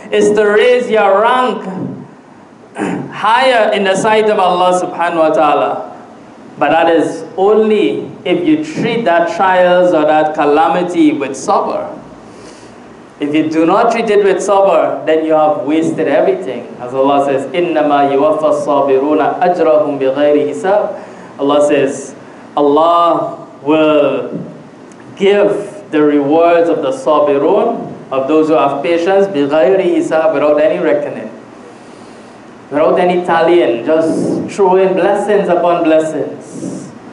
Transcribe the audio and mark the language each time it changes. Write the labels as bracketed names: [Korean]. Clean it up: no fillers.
[English] It's to raise your rank higher in the sight of Allah subhanahu wa ta'ala. But that is only if you treat that trials or that calamity with sabr. If you do not treat it with sabr, then you have wasted everything. As Allah says, [Arabic] إِنَّمَا يُوَفَّى الصَّابِرُونَ أَجْرَهُمْ بِغَيْرِ حِسَابٍ. [English] Allah says, Allah will give the rewards of the sabirun, of those who have patience, [Arabic] بِغَيْرِ حِسَابٍ, [English] without any reckoning, without any tallying, just throwing blessings upon blessings.